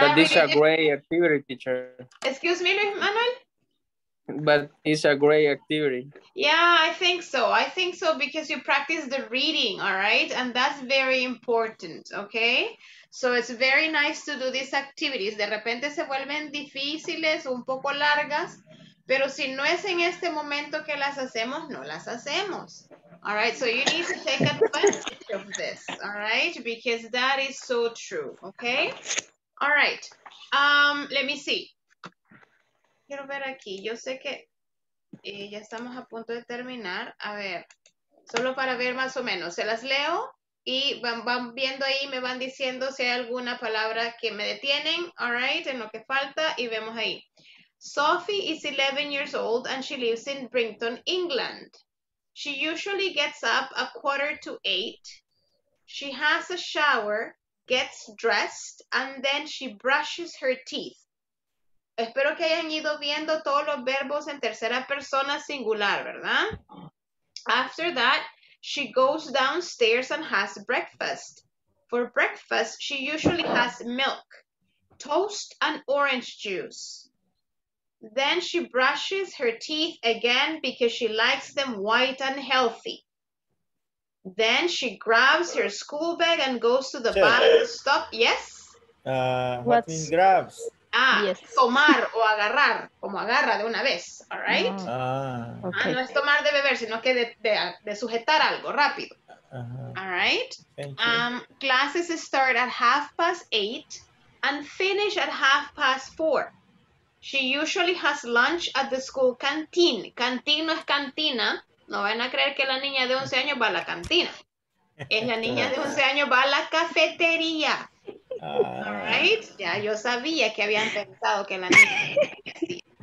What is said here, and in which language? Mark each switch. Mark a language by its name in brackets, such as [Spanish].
[English] but this is a great activity, teacher. Excuse me, Luis Manuel? But it's a great activity. Yeah, I think so. I think so because you practice the reading, all right? And that's very important, okay? So it's very nice to do these activities. [Spanish] De repente se vuelven difíciles, un poco largas. Pero si no es en este momento que las hacemos, no las hacemos. [English] All right, so you need to take advantage of this, all right? Because that is so true, okay? All right, let me see. [Spanish] Quiero ver aquí, yo sé que ya estamos a punto de terminar. A ver, solo para ver más o menos, se las leo y van viendo ahí, me van diciendo si hay alguna palabra que me detienen, [English] all right, [Spanish] en lo que falta y vemos ahí. [English] Sophie is 11 years old and she lives in Brighton, England. She usually gets up a 7:45. She has a shower, gets dressed, and then she brushes her teeth. [Spanish] Espero que hayan ido viendo todos los verbos en tercera persona singular, ¿verdad? [English] After that, she goes downstairs and has breakfast. For breakfast, she usually has milk, toast, and orange juice. Then she brushes her teeth again because she likes them white and healthy. Then she grabs her school bag and goes to the bathroom. Stop. Yes? What means grabs? Ah, yes. [Spanish] Tomar o agarrar, como agarra de una vez. [English] All right? Ah, okay. [Spanish] Ah, no es tomar de beber, sino que de sujetar algo rápido. [English] Uh-huh. All right? Thank you. Classes start at 8:30 and finish at 4:30. She usually has lunch at the school canteen. [Spanish] Canteen no es cantina. No van a creer que la niña de 11 años va a la cantina. Es la niña de 11 años va a la cafetería. [English] All right. [Spanish] Ya yo sabía que habían pensado que la niña.